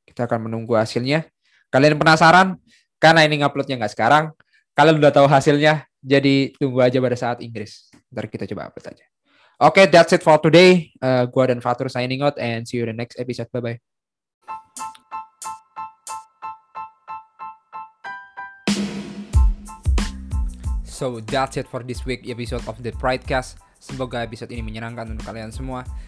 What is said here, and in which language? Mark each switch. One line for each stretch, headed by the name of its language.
Indonesian: Kita akan menunggu hasilnya. Kalian penasaran? Karena ini nguploadnya nggak sekarang. Kalian udah tahu hasilnya, jadi tunggu aja pada saat Inggris. Ntar kita coba upload aja.
English: Okay, that's it for today.
Indonesian: Gua dan
English: Fatur signing out and see you in the next episode. Bye-bye. So, that's it for this week episode of The Pridecast.
Indonesian: Semoga episode ini menyenangkan untuk kalian semua.